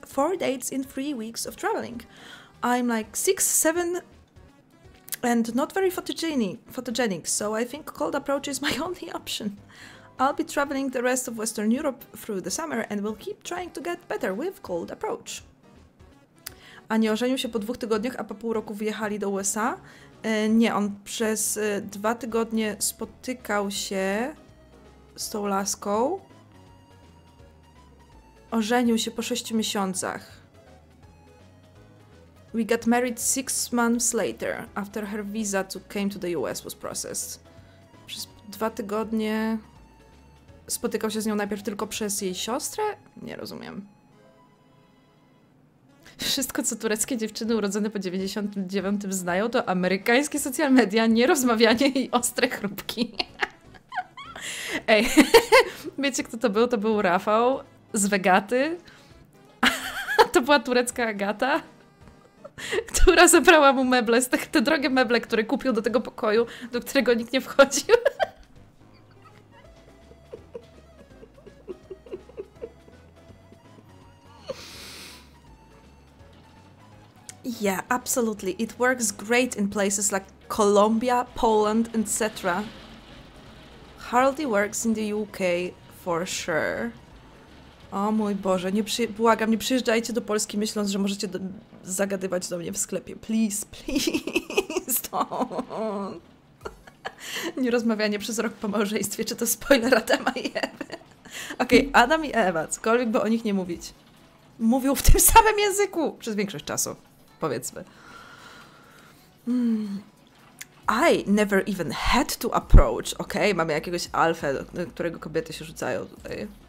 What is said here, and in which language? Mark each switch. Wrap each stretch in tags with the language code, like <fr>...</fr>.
<en>4 dates in 3 weeks of traveling. I'm like 6-7 and not very photogenic, so I think cold approach is my only option. I'll be traveling the rest of Western Europe through the summer and will keep trying to get better with cold approach.</en> <pl>A nie ożenił się po 2 tygodniach, a po pół roku wyjechali do USA? Nie, on przez 2 tygodnie spotykał się z tą laską. Ożenił się po 6 miesiącach.</pl> <en>We got married 6 months later, after her visa to came to the US was processed.</en> <pl>Przez 2 tygodnie spotykał się z nią najpierw tylko przez jej siostrę? Nie rozumiem. Wszystko, co tureckie dziewczyny urodzone po 99 znają, to amerykańskie social media, nierozmawianie i ostre chrupki. Ej, wiecie, kto to był? To był Rafał z Wegaty. To była turecka Agata, która zabrała mu meble, te drogie meble, które kupił do tego pokoju, do którego nikt nie wchodził.</pl> <en>Yeah, absolutely. It works great in places like Colombia, Poland, etc. Hardly works in the UK, for sure.</en> <pl>O mój Boże, błagam, nie przyjeżdżajcie do Polski myśląc, że możecie zagadywać do mnie w sklepie.</pl> <en>Please, please, don't.</en> <pl>Nierozmawianie przez rok po małżeństwie, czy to spoiler Adama i Ewy? Okej, okay, Adam i Ewa, cokolwiek by o nich nie mówić. Mówią w tym samym języku przez większość czasu. Powiedzmy.</pl> <en>I never even had to approach.</en> <pl>Okej, okay, mamy jakiegoś alfę, do którego kobiety się rzucają tutaj.</pl>